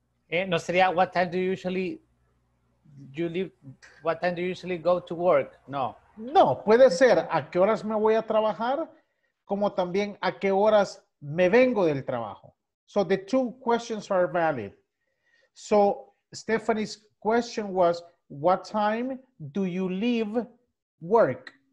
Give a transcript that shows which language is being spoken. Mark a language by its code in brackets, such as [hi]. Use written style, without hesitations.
[es] No sería, [en] what time do you usually what time do you usually go to work? [es] No. No, puede ser, ¿a qué horas me voy a trabajar? Como también, ¿a qué horas me vengo del trabajo? [en] So the two questions are valid. So Stephanie's question was, what time do you leave work?